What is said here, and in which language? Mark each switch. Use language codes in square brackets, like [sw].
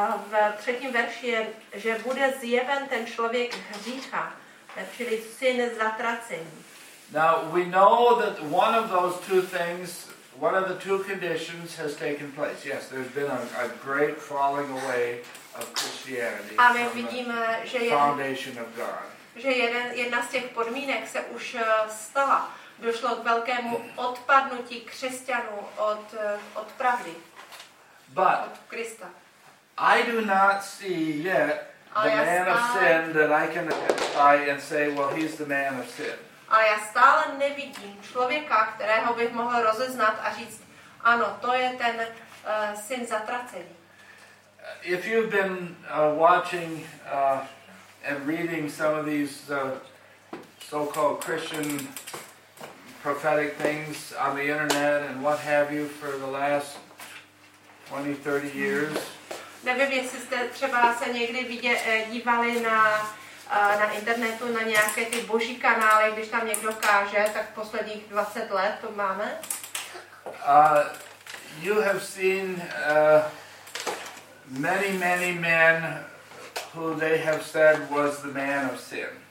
[cs] V třetím verši je, že bude zjeven ten člověk hřícha, čili syn zatracení. [en] Now we know that one of those two things, one of the two conditions has taken place. Yes, there's been a great falling away of Christianity. [cs] A my vidíme, že je [en] foundation of God. [cs] Že jedna z těch podmínek se už stala. Došlo k velkému odpadnutí křesťanů od pravdy. [en] But [cs] od Krista. [en] I do not see yet the man of sin that I can identify and say, well, he's the man of sin. [cs] A já stále nevidím člověka, kterého bych mohl rozeznat a říct, ano, to je ten syn zatracený. [en] If you've been watching and reading some of these so-called Christian prophetic things on the internet and what have you for the last 20-30 years, [cs] nevím, jestli jste třeba se někdy dívali na internetu, na nějaké ty boží kanály, když tam někdo káže, tak posledních 20 let to máme. [en] You have seen many, many men who they have said was the man of sin.